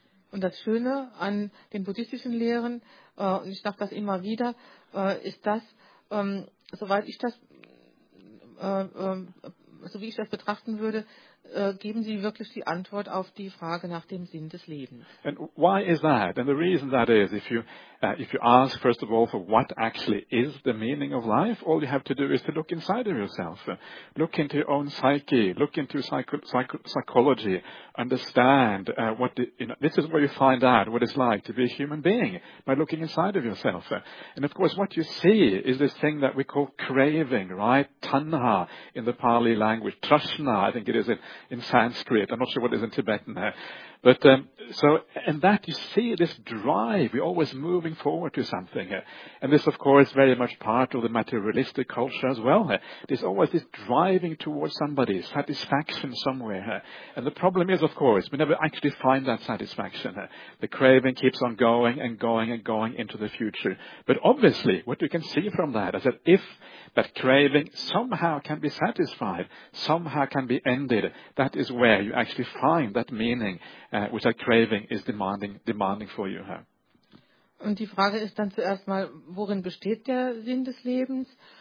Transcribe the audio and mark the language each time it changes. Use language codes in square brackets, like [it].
[de] Und das Schöne an den buddhistischen Lehren, und ich sage das immer wieder, ist das, soweit ich das, so wie ich das betrachten würde, geben sie wirklich die Antwort auf die Frage nach dem Sinn des Lebens. [en] And why is that? And the reason that is, if you ask first of all for what actually is the meaning of life, all you have to do is to look inside of yourself, look into your own psyche, look into psychology, understand what the, you know, this is where you find out what it's like to be a human being by looking inside of yourself. And of course, what you see is this thing that we call craving, right? Tanha in the Pali language, Trashna, I think it is in Sanskrit, I'm not sure what it is in Tibetan there. But so, and that you see this drive, we're always moving forward to something. And this, of course, very much part of the materialistic culture as well. There's always this driving towards somebody, satisfaction somewhere. And the problem is, of course, we never actually find that satisfaction. The craving keeps on going and going and going into the future. But obviously, what you can see from that is that if that craving somehow can be satisfied, somehow can be ended, that is where you actually find that meaning. Which a craving is demanding for you. Huh? [de] Und die Frage ist dann zuerst mal, worin besteht der Sinn des Lebens?